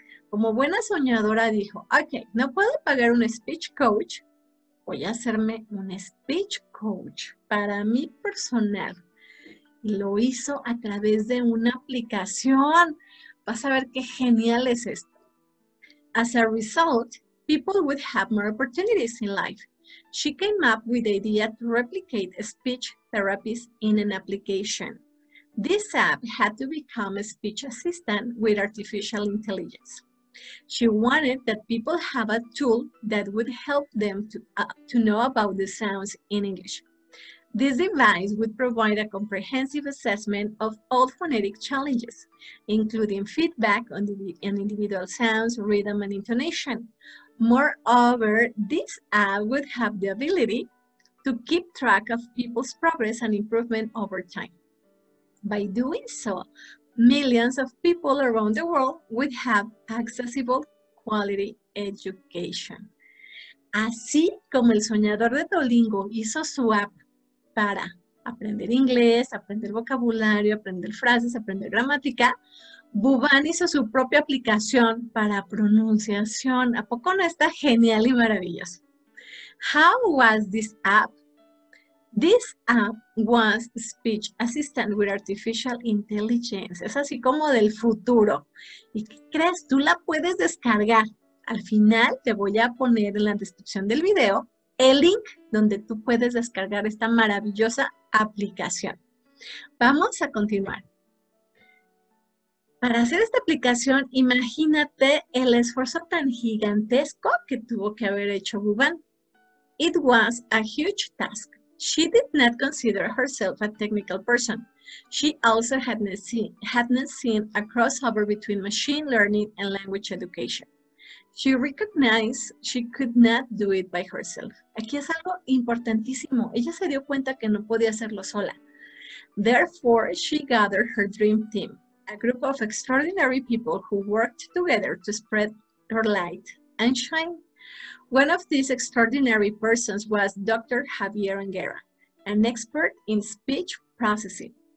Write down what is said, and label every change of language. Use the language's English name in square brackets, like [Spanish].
[Spanish] Como buena soñadora dijo, ok, no puedo pagar un speech coach, voy a hacerme un speech coach para mi personal. Y lo hizo a través de una aplicación. Vas a ver qué genial es esto. [English] As a result, people would have more opportunities in life. She came up with the idea to replicate speech therapies in an application. This app had to become a speech assistant with artificial intelligence. She wanted that people have a tool that would help them to know about the sounds in English. This device would provide a comprehensive assessment of all phonetic challenges, including feedback on the individual sounds, rhythm, and intonation. Moreover, this app would have the ability to keep track of people's progress and improvement over time. By doing so, millions of people around the world would have accessible quality education. [Spanish] Así como el soñador de Duolingo hizo su app para aprender inglés, aprender vocabulario, aprender frases, aprender gramática, Bubán hizo su propia aplicación para pronunciación. ¿A poco no está genial y maravilloso? [English] How was this app? This app was speech assistant with artificial intelligence. [Spanish] Es así como del futuro. ¿Y qué crees? Tú la puedes descargar. Al final te voy a poner en la descripción del video el link donde tú puedes descargar esta maravillosa aplicación. Vamos a continuar. Para hacer esta aplicación, imagínate el esfuerzo tan gigantesco que tuvo que haber hecho Bubán. [English] It was a huge task. She did not consider herself a technical person. She also had not seen a crossover between machine learning and language education. She recognized she could not do it by herself. [Spanish] Aquí es algo importantísimo. Ella se dio cuenta que no podía hacerlo sola. [English] Therefore, she gathered her dream team, a group of extraordinary people who worked together to spread her light and shine. One of these extraordinary persons was Dr. Javier Anguera, an expert in speech processing.